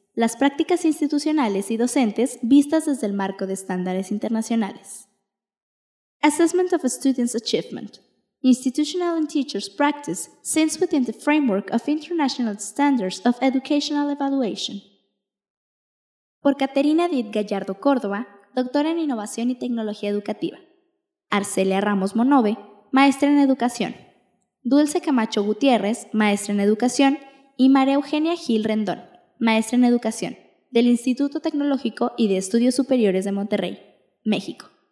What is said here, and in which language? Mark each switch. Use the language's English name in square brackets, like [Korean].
[Spanish] Las prácticas institucionales y docentes vistas desde el marco de estándares internacionales. [English] Assessment of Students' Achievement. Institutional and Teachers' Practice since within the framework of International Standards of Educational Evaluation. [Spanish] Por Caterina Did Gallardo Córdoba, doctora en Innovación y Tecnología Educativa. Arcelia Ramos Monove, maestra en Educación. Dulce Camacho Gutiérrez, maestra en Educación. Y María Eugenia Gil Rendón, maestra en Educación, del Instituto Tecnológico y de Estudios Superiores de Monterrey, México.